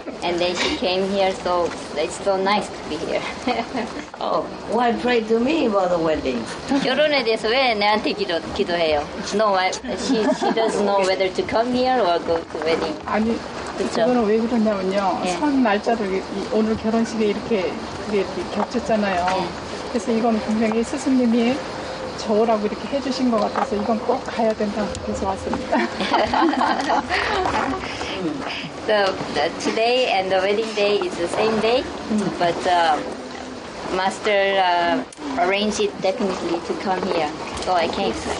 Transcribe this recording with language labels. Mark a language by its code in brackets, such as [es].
[en] And then she came here, so it's so nice to be here. Oh, why pray to me about the wedding? [ko] 결혼에 대해서 왜 내한테 기도해요? [en] No, she doesn't know whether to come here or go to wedding. [ko] 아니, 그쵸? 그거는 왜 그러냐면요. Yeah. 선 날짜를 오늘 결혼식에 이렇게 겹쳤잖아요. [en] Yeah. [ko] 그래서 이건 분명히 스승님이 저라고 이렇게 해주신 것 같아서 이건 꼭 가야 된다 그래서 왔습니다. [en] So today and the wedding day is the same day, but Master arranged it definitely to come here, so I came.